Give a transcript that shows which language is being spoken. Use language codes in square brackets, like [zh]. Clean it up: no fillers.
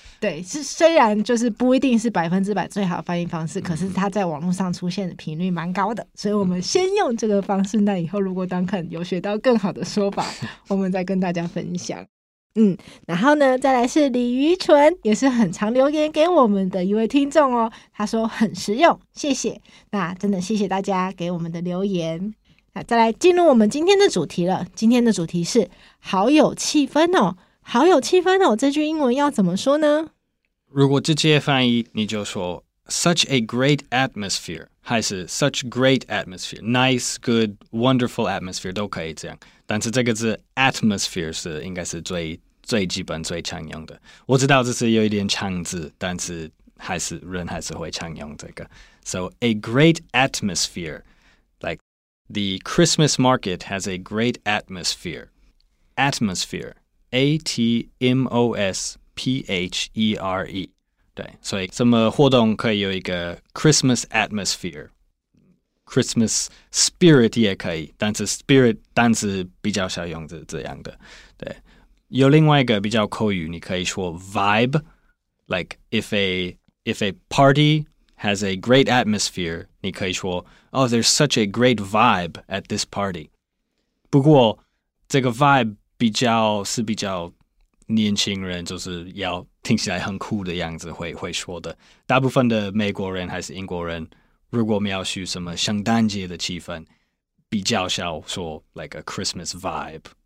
[zh] 对，是虽然就是不一定是百分之百最好的翻译方式，可是它在网络上出现的频率蛮高的，所以我们先用这个方式。那以后如果Duncan有学到更好的说法，我们再跟大家分享。然后呢，再来是李渔纯，也是很常留言给我们的一位听众哦。他说很实用，谢谢。那真的谢谢大家给我们的留言。再来进入我们今天的主题了。今天的主题是好有气氛哦，好有气氛哦，这句英文要怎么说呢？如果直接翻译，你就说 [en] such a great atmosphere， [zh] 还是 [en] such great atmosphere， nice， good， wonderful atmosphere [zh] 都可以这样。但是这个字 atmosphere 是应该是最基本最常用的。我知道这是有一点长字，但是还是会常用这个。 [en] So a great atmosphere，The Christmas market has a great atmosphere. Atmosphere. A-T-M-O-S-P-H-E-R-E. [zh] 对，所以什么活动可以有一个 [en] Christmas atmosphere? Christmas spirit [zh] 也可以，但是 spirit 单词比较少用这样的。对，有另外一个比较口语，你可以说 [en] vibe， like if a party has a great atmosphere， [zh] 你可以说 [en] oh there's such a great vibe at this party。 [zh] 不过这个 vibe 比较年轻人，就是要听起来很酷的样子会说的。大部分的美国人还是英国人。如果描述什么圣诞节的气氛，比较少说 [en] like a Christmas vibe。